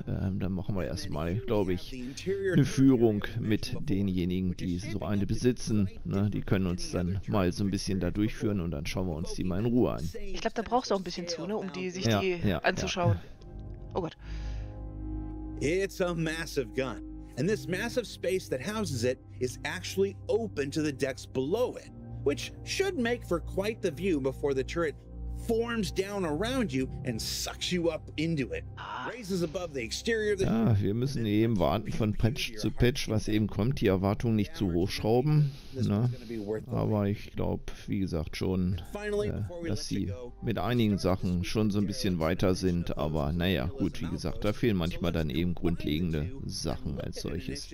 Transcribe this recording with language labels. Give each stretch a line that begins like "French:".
German: Dann machen wir erstmal, glaube ich, eine Führung mit denjenigen, die so eine besitzen. Ne, die können uns dann mal so ein bisschen da durchführen und dann schauen wir uns die mal in Ruhe an. Ich glaube, da brauchst du auch ein bisschen zu, ne, um die sich anzuschauen. Ja. Oh Gott.
English: It's a massive gun. And this massive space that houses it is actually open to the decks below it, which should make for quite the view before the turret forms down around you and sucks you up into it. Raises above the exterior of the...
German: Ja, wir müssen eben warten von Patch zu Patch, was eben kommt, die Erwartungen nicht zu hochschrauben, ne? Aber ich glaube, wie gesagt, schon, dass sie mit einigen Sachen schon so ein bisschen weiter sind, aber naja, gut, wie gesagt, da fehlen manchmal dann eben grundlegende Sachen als solches.